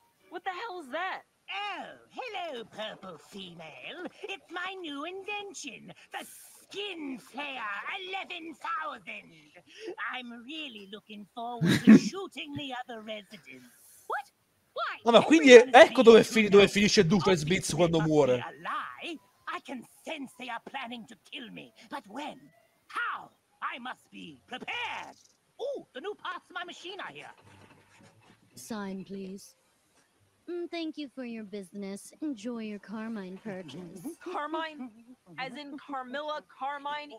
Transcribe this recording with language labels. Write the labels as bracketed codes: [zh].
[en] What the hell is that? Oh, hello, purple female. It's my new invention, the Skin Flayer 11,000. I'm really looking forward to shooting the other residents. What? [it] No, ma quindi ecco dove finisce Doofus Beats quando muore. [en] I can sense they are planning to kill me. But when? How? I must be prepared. Ooh, the new parts of my machine are here. Sign, please. Thank you for your business. Enjoy your Carmine purchase. Carmine? As in Carmilla Carmine?